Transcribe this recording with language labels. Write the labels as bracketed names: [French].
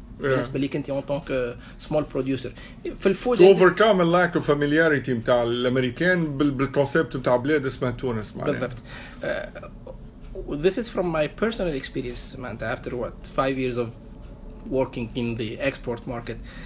[Arabic] بالنسبة لك أنت [French] en tant que [English] small producer. [Arabic] في الفود [English] to overcome a lack of familiarity [Arabic] متاع الأمريكان بالconcept متاع بلاد اسمها تونس. بالضبط. [English] this is from my personal experience, Samantha, after what, 5 years of working in the export market.